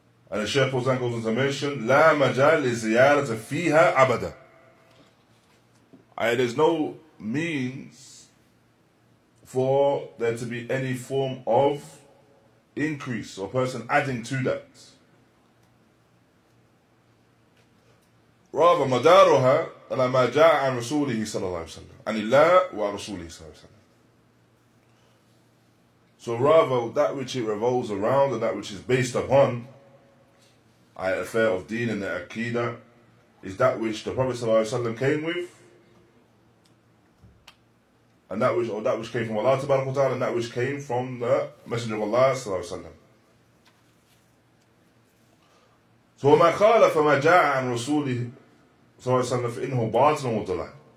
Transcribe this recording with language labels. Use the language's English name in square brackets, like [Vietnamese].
[English] And the Shaykh Fawzan goes on to mention, [Arabic] لا مجال لزيارة فيها أبدا. [English] And there's no means for there to be any form of increase or person adding to that. Rather, [Arabic] مداروها على ما جاء عن رسوله صلى الله عليه وسلم عن الله ورسوله صلى الله عليه وسلم. [English] So rather, that which it revolves around and that which is based upon the affair of deen and the aqidah is that which the Prophet [Arabic] صلى الله عليه وسلم [English] came with, and that which came from Allah tabaraka wa ta'ala, and that which came from the Messenger of Allah صلى الله عليه وسلم. So [Arabic] ما خالف ما جاء عن رسوله صلى الله عليه وسلم فإنه باطل وضلال.